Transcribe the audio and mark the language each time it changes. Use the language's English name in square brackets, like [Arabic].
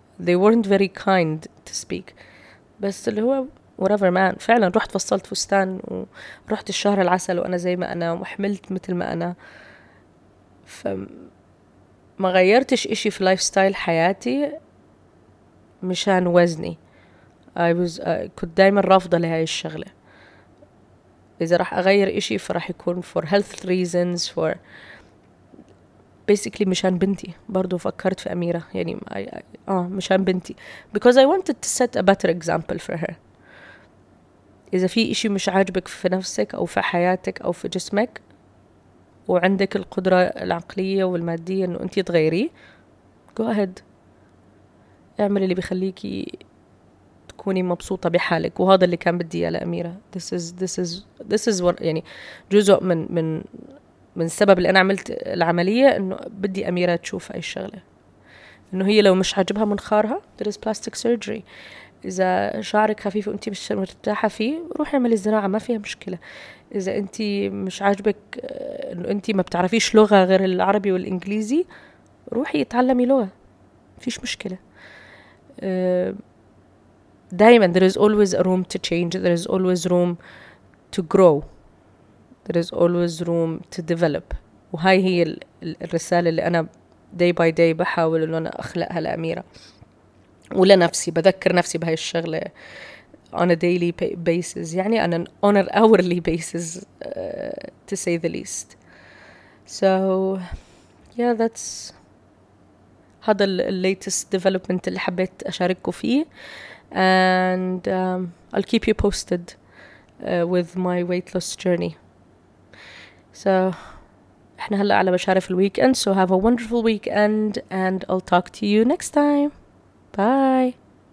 [English] They weren't very kind to speak. [Arabic] بس اللي هو [English] whatever man, [Arabic] فعلا رحت فصلت فستان ورحت الشهر العسل وأنا زي ما أنا وحملت مثل ما أنا. فما غيرتش إشي في لايف ستايل حياتي مشان وزني. كنت دائما رافضة لهاي الشغلة. إذا راح أغير إشي فراح يكون [English] for health reasons, for basically [Arabic] مشان بنتي. برضو فكرت في أميرة يعني مشان بنتي, [English] because I wanted to set a better example for her. [Arabic] إذا في إشي مش عاجبك في نفسك أو في حياتك أو في جسمك وعندك القدرة العقلية والمادية إنه أنتي تغيري, [English] go ahead, [Arabic] اعمل اللي بيخليكي تكوني مبسوطة بحالك. وهذا اللي كان بدي إياه لأميرة. [English] This is [Arabic] يعني جزء من من من سبب اللي أنا عملت العملية, إنه بدي أميرة تشوف أي شغلة, إنه هي لو مش عاجبها منخارها [English] there is plastic surgery. [Arabic] إذا شعرك خفيف وأنتي مش مرتاحة فيه روحي اعملي الزراعة, ما فيها مشكلة. إذا أنتي مش عاجبك إنه أنتي ما بتعرفيش لغة غير العربي والإنجليزي, روحي اتعلمي لغة, فيش مشكلة. دائما [English] there is always a room to change, there is always room to grow, there is always room to develop. [Arabic] وهاي هي الرسالة اللي أنا [English] day by day [Arabic] بحاول إنه أنا أخلقها لأميرة ولنفسي, بذكر نفسي بهاي الشغلة [English] on a daily basis, [Arabic] يعني [English] on an hourly basis to say the least. So yeah, that's [Arabic] هذا ال [English] latest development [Arabic] اللي حبيت أشاركه فيه. [English] And I'll keep you posted with my weight loss journey. So [Arabic] احنا هلا على مشارف الويك اند, [English] so have a wonderful weekend and I'll talk to you next time. Bye.